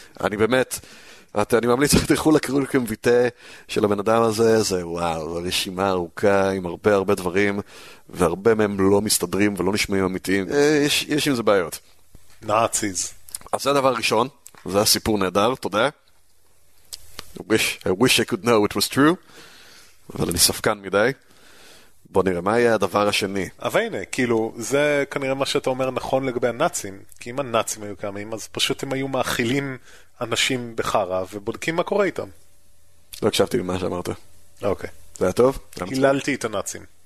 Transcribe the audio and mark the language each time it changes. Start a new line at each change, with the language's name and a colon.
Hebrew: אני באמת, אני ממליץ, תלכו לקרוא לכם ביטה של הבן אדם הזה, זה וואו, רשימה ארוכה עם הרבה הרבה דברים, והרבה מהם לא מסתדרים ולא נשמעים אמיתיים. יש עם זה בעיות. נאציז. אז זה הדבר הראשון, זה הסיפור נהדר, תודה.
English: I wish I could know it was true,
Hebrew: אבל אני ספקן מדי. בוא נראה, מה היה הדבר השני? אבל הנה, כאילו, זה כנראה מה שאתה אומר נכון לגבי הנאצים, כי אם הנאצים היו קיימים, אז פשוט הם היו מאכילים אנשים בחרה, ובודקים מה קורה איתם. לא הקשבתי למה שאמרת. אוקיי. זה היה טוב? היללתי את הנאצים.